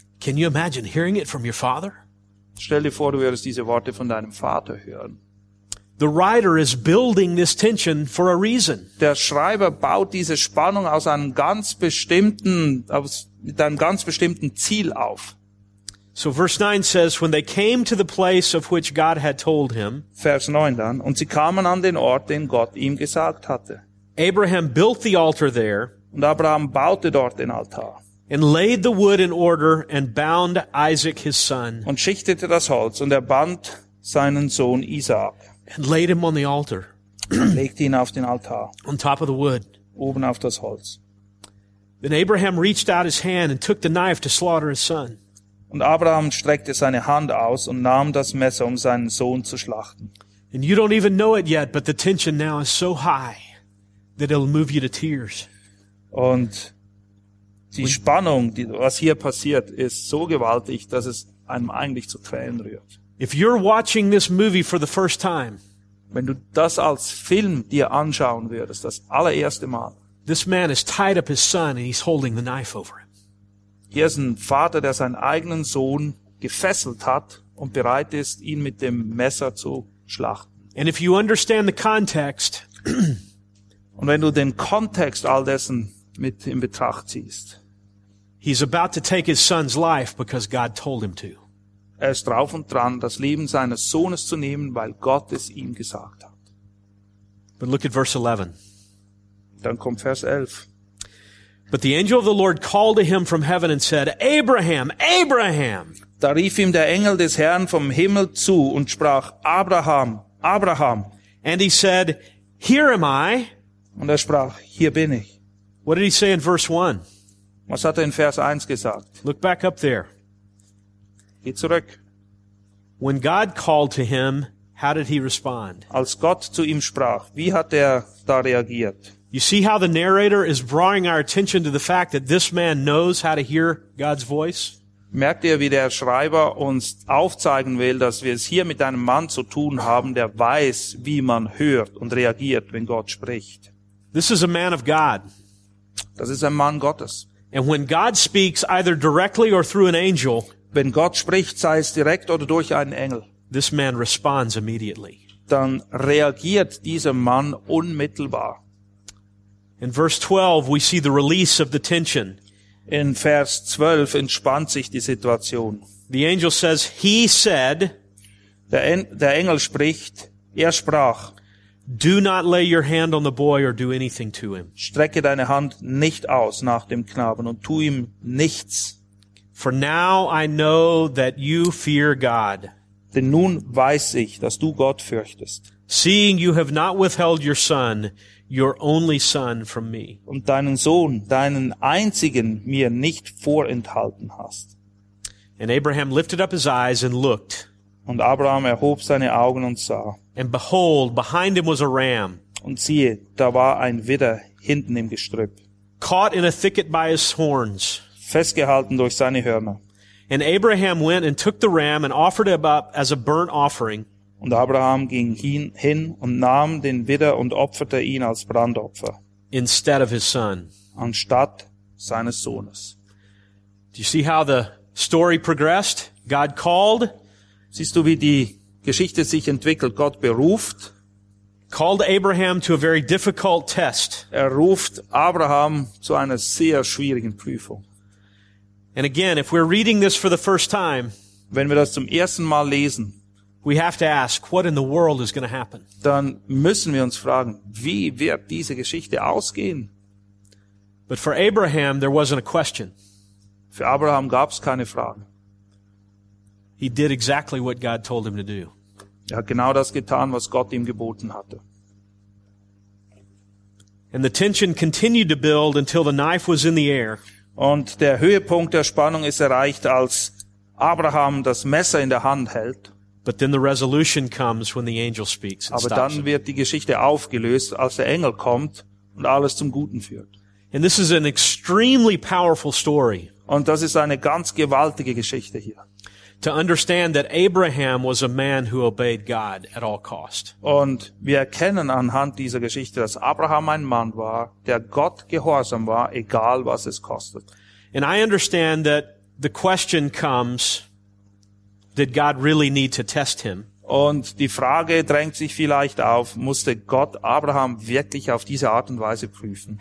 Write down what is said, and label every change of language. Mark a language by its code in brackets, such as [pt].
[en] Can you imagine hearing it from your father? [de] Stell dir vor, du würdest diese Worte von deinem Vater hören. [en] The writer is building this tension for a reason. [de] Der Schreiber baut diese Spannung mit einem ganz bestimmten Ziel auf. [en] So verse 9 says, when they came to the place of which God had told him. [de] Vers 9 dann, und sie kamen an den Ort, den Gott ihm gesagt hatte. [en] Abraham built the altar there. [de] Und Abraham baute dort den Altar. [en] And laid the wood in order and bound Isaac his son. [de] Und schichtete das Holz und band seinen Sohn Isaac. [en] And laid him on the altar. [de] Legte ihn auf den Altar. [en] On top of the wood. [de] Oben auf das Holz. [en] Then Abraham reached out his hand and took the knife to slaughter his son. [de] Und Abraham streckte seine Hand aus und nahm das Messer, um seinen Sohn zu schlachten. [en] And you don't even know it yet, but the tension now is so high that it'll move you to tears. [de] Und die Spannung, was hier passiert, ist so gewaltig, dass es einem eigentlich zu Tränen rührt. [en] If you're watching this movie for the first time, [de] wenn du das als Film dir anschauen würdest, das allererste Mal, [en] this man has tied up his son and he's holding the knife over him. [de] Hier ist ein Vater, der seinen eigenen Sohn gefesselt hat und bereit ist, ihn mit dem Messer zu schlachten. [en] And if you understand the context, [de] und wenn du den Kontext all dessen mit in Betracht ziehst, [en] he's about to take his son's life because God told him to. [de] Er ist drauf und dran, das Leben seines Sohnes zu nehmen, weil Gott es ihm gesagt hat. [en] But look at verse 11. [de] Dann kommt Vers 11. [en] But the angel of the Lord called to him from heaven and said, Abraham, Abraham! [de] Da rief ihm der Engel des Herrn vom Himmel zu und sprach, Abraham, Abraham! [en] And he said, Here am I! [de] Und sprach, Hier bin ich. [en] What did he say in verse 1? [de] Was hat in Vers 1 gesagt? [en] Look back up there. When God called to him, how did he respond? [de] Als Gott zu ihm sprach, wie hat da reagiert? [en] You see how the narrator is drawing our attention to the fact that this man knows how to hear God's voice? [de] Merkt ihr, wie der Schreiber uns aufzeigen will, dass wir es hier mit einem Mann zu tun haben, der weiß, wie man hört und reagiert, wenn Gott spricht? [en] This is a man of God. [de] Das ist ein Mann Gottes. [en] And when God speaks either directly or through an angel, [de] wenn Gott spricht, sei es direkt oder durch einen Engel, [en] this man responds immediately. [de] Dann reagiert dieser Mann unmittelbar. [en] In verse 12, we see the release of the tension. [de] In Vers 12 entspannt sich die Situation. [en] The angel says, he said, [de] der Engel spricht, sprach, [en] do not lay your hand on the boy or do anything to him. [de] Strecke deine Hand nicht aus nach dem Knaben und tu ihm nichts. [en] For now I know that you fear God. [de] denn nun weiß ich, dass du Gott fürchtest. [en] Seeing you have not withheld your son, your only son from me. [de] Und deinen Sohn, deinen einzigen, mir nicht vorenthalten hast. [en] And Abraham lifted up his eyes and looked. [de] Und Abraham erhob seine Augen und sah. [en] And behold, behind him was a ram. [de] Und siehe, da war ein Widder hinten im Gestrüpp. [en] Caught in a thicket by his horns. [de] Festgehalten durch seine Hörner. [en] And Abraham went and took the ram and offered it up as a burnt offering. [de] Und Abraham ging hin und nahm den Widder und opferte ihn als Brandopfer. [en] Instead of his son. [de] Anstatt seines Sohnes. [en] Do you see how the story progressed? God called. [de] Siehst du, wie die Geschichte sich entwickelt? Gott beruft. [en] Called Abraham to a very difficult test. [de] Er ruft Abraham zu einer sehr schwierigen Prüfung. [en] And again, if we're reading this for the first time, [de] wenn wir das zum ersten Mal lesen, [en] we have to ask, what in the world is going to happen? [de] Dann müssen wir uns fragen, wie wird diese Geschichte ausgehen? [en] But for Abraham, there wasn't a question. [de] Für Abraham gab's keine Frage. [en] He did exactly what God told him to do. [de] Er hat genau das getan, was Gott ihm geboten hatte. [en] And the tension continued to build until the knife was in the air. [de] Und der Höhepunkt der Spannung ist erreicht, als Abraham das Messer in der Hand hält. [en] But then the resolution comes when the angel speaks and [de] Aber dann [en] stops [de] wird die Geschichte aufgelöst, als der Engel kommt und alles zum Guten führt. [en] And this is an extremely powerful story. [de] Und das ist eine ganz gewaltige Geschichte hier. [en] To understand that Abraham was a man who obeyed God at all cost. [de] Und wir erkennen anhand dieser Geschichte, dass Abraham ein Mann war, der Gott gehorsam war, egal was es kostet. [en] And I understand that the question comes, did God really need to test him? [de] Und die Frage drängt sich vielleicht auf, musste Gott Abraham wirklich auf diese Art und Weise prüfen?